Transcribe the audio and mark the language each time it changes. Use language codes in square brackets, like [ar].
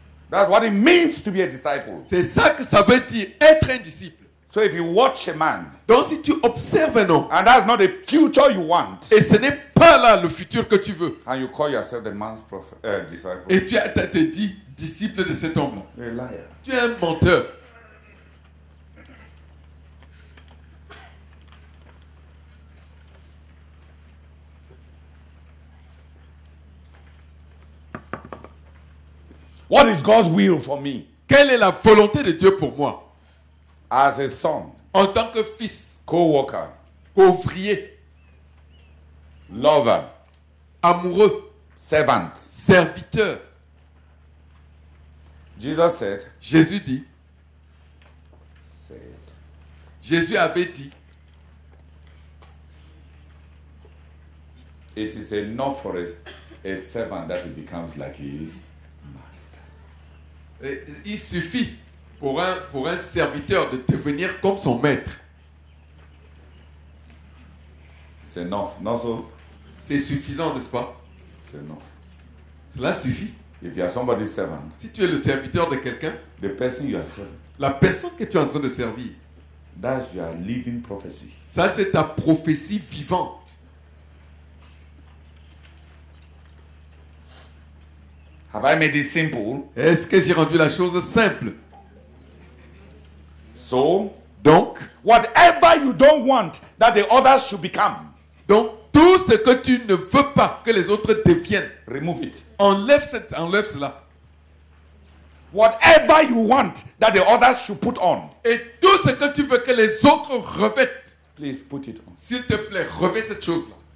[en] That's what it means to be a disciple. [fr] C'est ça que ça veut dire être un disciple. [en] So if you watch a man, [fr] donc si tu observes un homme, [en] and that's not the future you want, [fr] et ce n'est pas là le futur que tu veux, [en] and you call yourself the man's prophet, disciple, [fr] et tu te dis disciple de cet homme-là, [en] you're a liar. [fr] Tu es un menteur. [en] What is God's will for me? [fr] Quelle est la volonté de Dieu pour moi? [en] As a son, [fr] en tant que fils, [en] co-worker, [fr] co-ouvrier, [en] lover, [fr] amoureux, [en] servant, [fr] serviteur. [en] Jesus said, [fr] Jésus dit, [en] said, [fr] Jésus avait dit, [en] it is enough for a servant that he becomes like he is. [fr] Il suffit pour un serviteur de devenir comme son maître. C'est [en] enough, [fr] non so? C'est suffisant, n'est-ce pas? C'est [en] enough. [fr] Cela suffit. [en] If you are somebody's servant, [fr] si tu es le serviteur de quelqu'un, [en] the person you are serving, [fr] la personne que tu es en train de servir, [en] that's your living prophecy. [fr] Ça, c'est ta prophétie vivante. [en] Have I made it simple? [fr] Est-ce que j'ai rendu la chose simple? [en] So, [fr] donc, [en] whatever you don't want that the others should become. [fr] Donc, tout ce que tu ne veux pas que les autres deviennent, [en] remove it. [fr] Enlève cela. [en] Whatever you want that the others should put on. [fr] Et tout ce que tu veux que les autres revêtent, [en] please put it on. [fr] S'il te plaît, revêt cette chose-là.